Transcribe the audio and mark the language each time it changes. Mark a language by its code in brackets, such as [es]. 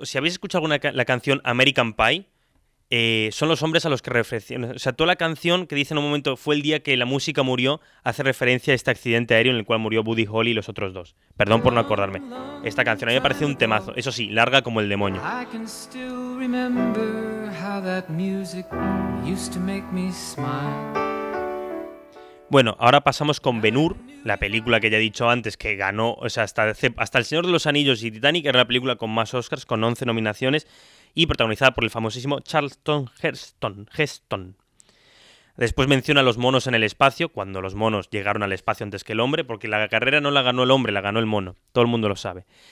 [es] Si habéis escuchado alguna la canción American Pie, son los hombres a los que refleciona. O sea, toda la canción que dice en un momento fue el día que la música murió, hace referencia a este accidente aéreo en el cual murió Buddy Holly y los otros dos. Perdón por no acordarme. Esta canción a mí me parece un temazo. Eso sí, larga como el demonio. [en] I can still remember how that music used to make me smile. [es] Bueno, ahora pasamos con Ben-Hur, la película que ya he dicho antes, que ganó, o sea, hasta El Señor de los Anillos y Titanic, era la película con más Oscars, con 11 nominaciones, y protagonizada por el famosísimo Charlton Heston. Después menciona a los monos en el espacio, cuando los monos llegaron al espacio antes que el hombre, porque la carrera no la ganó el hombre, la ganó el mono, todo el mundo lo sabe.